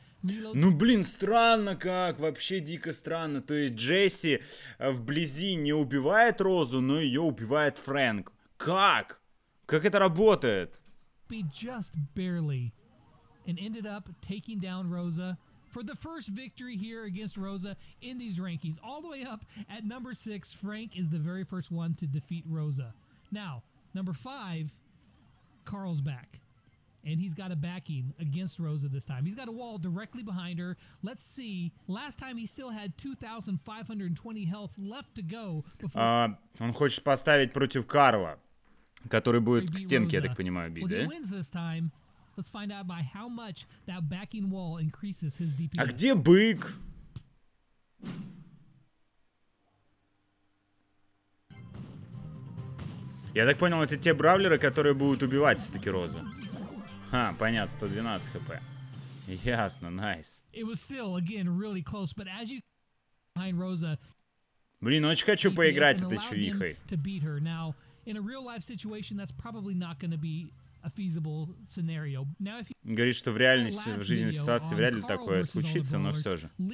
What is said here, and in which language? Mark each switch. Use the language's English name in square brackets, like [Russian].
[Russian] Ну блин, странно как, вообще дико странно. То есть Джесси вблизи не убивает Розу, но ее убивает Фрэнк. Как? Как это работает? [English] Just barely. And ended up taking down Rosa for the first victory here against Rosa in these rankings. All the way up at number 6, Frank is the very first one to defeat Rosa. Now, number 5, Carl's back. And he's got a backing against Rosa this time. He's got a wall directly behind her. Let's see. Last time he still had 2520 health left to go before... [Russian] Он хочет поставить против Карла, который будет к стенке, я так понимаю, бить, да? [English] Well, he wins this time. Let's find out by how much that backing wall increases his DPS. [Russian] А где бык? Я так понял, это те бравлеры, которые будут убивать все-таки Розу. Ха, понятно, 112 хп. Ясно, найс. [English] It was still, again, really close, but as you behind Rosa... [Russian] Блин, очень хочу поиграть этой чувихой. [English] ...to beat her. Now, in a real-life situation, that's probably not going to be... A feasible scenario. Now, if you... [Russian] Говорит, что в реальности, в жизни ситуации вряд ли такое случится, но все же.